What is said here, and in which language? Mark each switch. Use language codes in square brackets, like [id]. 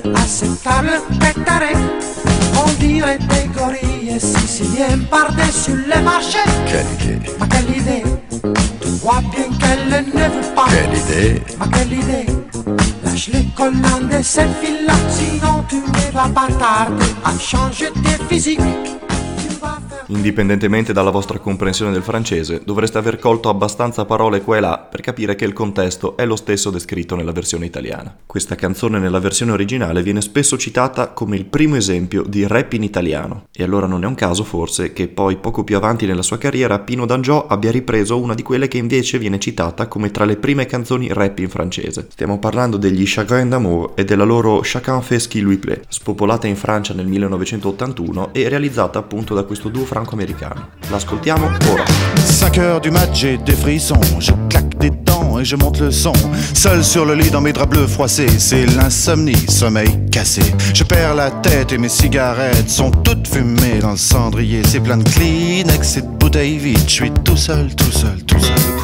[fr] À cette table, t'es taré. On dirait des gorilles siciliens par-dessus les marchés. Quelle idée? Ma quelle idée? Tu vois bien qu'elle ne veut pas. Quelle idée? Ma quelle idée? Lâche les collants et cette fille-là. Sinon tu ne vas pas tarder à changer de physique. [it] Indipendentemente dalla vostra comprensione del francese, dovreste aver colto abbastanza parole qua e là per capire che il contesto è lo stesso descritto nella versione italiana. Questa canzone nella versione originale viene spesso citata come il primo esempio di rap in italiano. E allora non è un caso, forse, che poi, poco più avanti nella sua carriera, Pino D'Angiò abbia ripreso una di quelle che invece viene citata come tra le prime canzoni rap in francese. Stiamo parlando degli Chagrin d'Amour e della loro Chacun fait ce qui lui plaît, spopolata in Francia nel 1981 e realizzata appunto da questo duo franco-américain. L'ascoltiamo ora. [fr] 5 heures du match, j'ai des frissons. Je claque des dents et je monte le son. Seul sur le lit dans mes draps bleus froissés, c'est l'insomnie, sommeil cassé. Je perds la tête et mes cigarettes sont toutes fumées dans le cendrier. C'est plein de Kleenex et de bouteilles vides. Je suis tout seul, tout seul, tout seul.